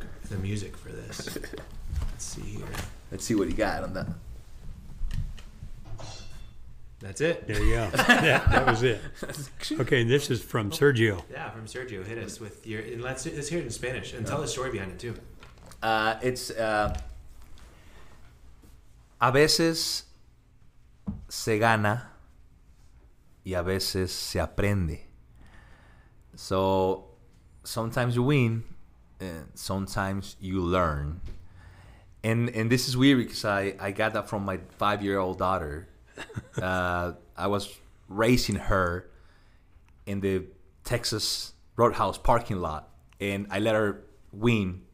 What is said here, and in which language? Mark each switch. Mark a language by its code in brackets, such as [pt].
[en] Okay. The music for this. Let's see here. Let's see what he got on that. That's it. There you go. That was it. Okay, and this is from Sergio. Yeah, from Sergio. Hit us with your. And let's hear it in Spanish and tell the story behind it too. [es] It's a veces se gana y a veces se aprende. [en] So sometimes you win, and sometimes you learn. And this is weird because I got that from my 5-year-old daughter. I was raising her in the Texas Roadhouse parking lot, and I let her win.